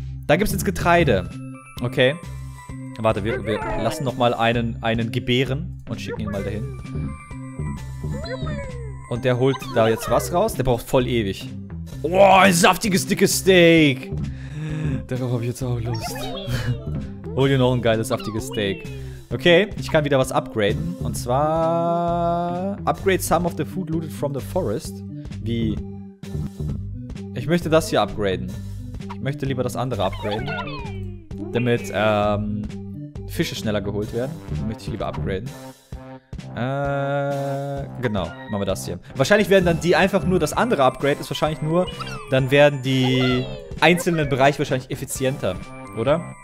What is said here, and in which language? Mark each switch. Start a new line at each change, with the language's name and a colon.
German: Da gibt es jetzt Getreide. Okay. Warte, wir lassen nochmal einen gebären und schicken ihn mal dahin. Und der holt da jetzt was raus? Der braucht voll ewig. Oh, ein saftiges, dickes Steak. Darauf habe ich jetzt auch Lust. Hol dir noch ein geiles, saftiges Steak. Okay, ich kann wieder was upgraden. Und zwar...
English: Upgrade some of the food looted from the forest.
German: Wie? Ich möchte das hier upgraden. Ich möchte lieber das andere upgraden. Damit, Fische schneller geholt werden. Möchte ich lieber upgraden. Genau, machen wir das hier. Wahrscheinlich werden dann die einfach nur, das andere Upgrade ist wahrscheinlich nur, dann werden die einzelnen Bereiche wahrscheinlich effizienter, oder?